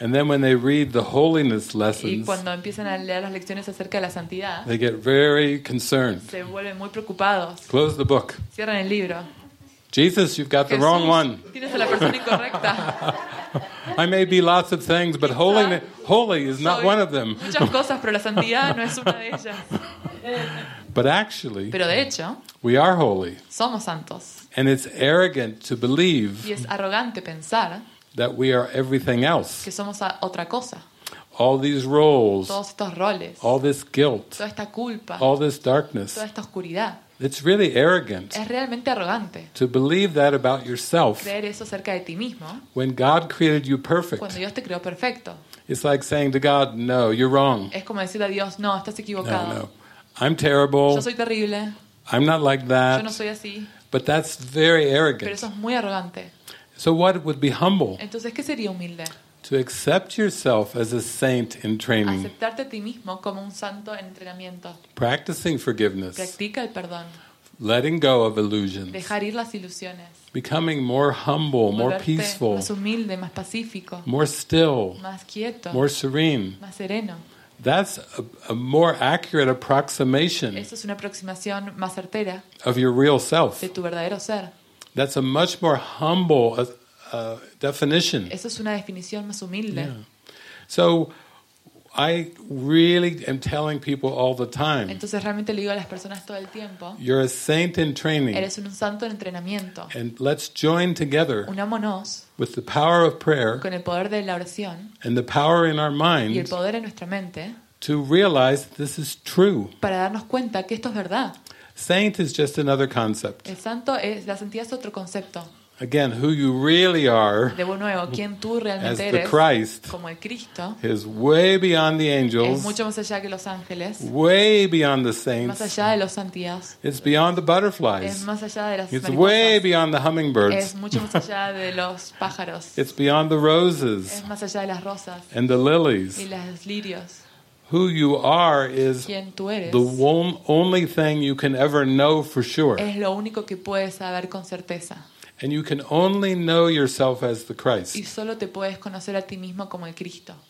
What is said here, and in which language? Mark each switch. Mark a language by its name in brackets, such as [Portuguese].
[English] And then when they read the holiness lessons, [Spanish] y cuando empiezan a leer las lecciones acerca de la santidad, [English] they get very concerned. [Spanish] Se vuelven muy preocupados. [English] Close the book. [Spanish] Cierran el libro. [English] Jesus, you've got [Spanish] Jesús, [English] the wrong one. [Spanish] Tienes a la persona incorrecta. [English] I may be lots of things, but holy is not one of them. [Spanish] Muchas cosas, pero la santidad no es una de ellas. [English] But actually, [Spanish] pero de hecho, [English] we are holy. [Spanish] Somos santos. [English] And it's arrogant to believe, [Spanish] y es arrogante pensar, [English] that we are everything else. [Spanish] Que somos a otra cosa. [English] All these roles. [Spanish] Todos estos roles. [English] All this guilt. [Spanish] Toda esta culpa. [English] All this darkness. [Spanish] Toda esta oscuridad. [English] It's really arrogant. [Spanish] Es realmente arrogante. [English] To believe that about yourself. [Spanish] Creer eso acerca de ti mismo. [English] When God created you perfect. [Spanish] Cuando Dios te creó perfecto. [English] It's like saying to God, "No, you're wrong." [Spanish] Es como decirle a Dios, "No, estás equivocado." [English] No. I'm terrible. [Spanish] Yo soy terrible. [English] I'm not like that. [Spanish] Yo no soy así. [English] But that's very arrogant. [Spanish] Pero eso es muy arrogante. [English] So what would be humble? [Spanish] Entonces, ¿qué sería humilde? [English] To accept yourself as a saint in training. [Spanish] Aceptarte a ti mismo como un santo en entrenamiento. [English] Practicing forgiveness. [Spanish] Practica el perdón. [English] Letting go of illusions. [Spanish] Dejar ir las ilusiones. [English] Becoming more humble, more peaceful. [Spanish] Más humilde, más pacífico. [English] More still. [Spanish] Más quieto. [English] More serene. [Spanish] Más sereno. [English] That's a more accurate approximation. [Spanish] Eso es una aproximación más certera. [English] Of your real self. [Spanish] De tu verdadero ser. [English] That's a much more humble definition. [Spanish] Eso es una definición más humilde. Yeah. [English] So I really am telling people all the time. [Spanish] Entonces realmente le digo a las personas todo el tiempo. [English] You're a saint in training. [Spanish] Eres un santo en entrenamiento. [English] And let's join together. [Spanish] Unámonos. [English] With the power of prayer. [Spanish] Con el poder de la oración. [English] And the power in our mind. [Spanish] Y el poder en nuestra mente. [English] To realize this is true. [Spanish] Para darnos cuenta que esto es verdad. [English] Saint is just another concept. [Spanish] El santo es la santidad es otro concepto. [English] Again, who you really are, [Spanish] de nuevo, quien tú realmente [English] as the [Spanish] eres, [English] Christ, [Spanish] como el Cristo, [English] is way beyond the angels, [Spanish] es mucho más allá que los ángeles, [English] way beyond the saints, [Spanish] más allá de los santías, [English] it's beyond the butterflies, [Spanish] es más allá de las [English] it's mariposas, way beyond the hummingbirds, [Spanish] es mucho más allá de los pájaros, [English] it's beyond the roses, [Spanish] es más allá de las rosas, [English] and the lilies, [Spanish] y las lirios. [English] Who you are is [Spanish] quien tú eres, [English] the one, only thing you can ever know for sure. [Spanish] Es lo único que puedes saber con certeza. [English] And you can only know yourself as the Christ. [Spanish] Y solo te puedes conocer a ti mismo como el Cristo.